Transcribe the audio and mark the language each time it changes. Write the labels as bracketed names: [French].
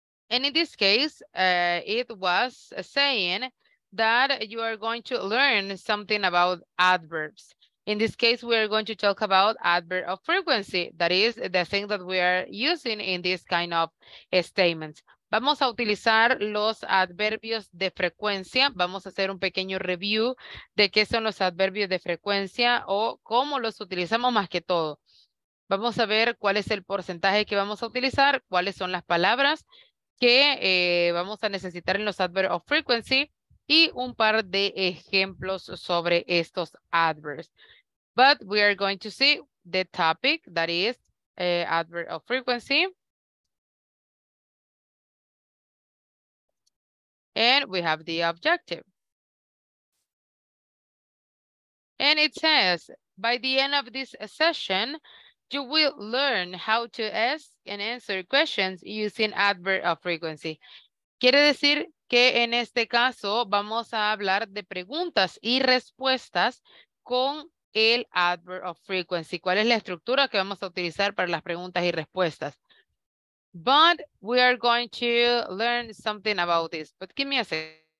[English] And in this case, it was saying that you are going to learn something about adverbs. In this case, we are going to talk about adverb of frequency. That is the thing that we are using in this kind of statements. [Spanish] Vamos a utilizar los adverbios de frecuencia. Vamos a hacer un pequeño review de qué son los adverbios de frecuencia o cómo los utilizamos más que todo. Vamos a ver cuál es el porcentaje que vamos a utilizar, cuáles son las palabras que vamos a necesitar en los [English] adverbs of frequency [Spanish] y un par de ejemplos sobre estos adverbs. [English] But we are going to see the topic, that is adverb of frequency. And we have the objective. And it says, by the end of this session, you will learn how to ask and answer questions using adverb of frequency. [Spanish] Quiere decir que en este caso vamos a hablar de preguntas y respuestas con el [English] adverb of frequency. [Spanish] ¿Cuál es la estructura que vamos a utilizar para las preguntas y respuestas? [English] But we are going to learn something about this. But give me a second.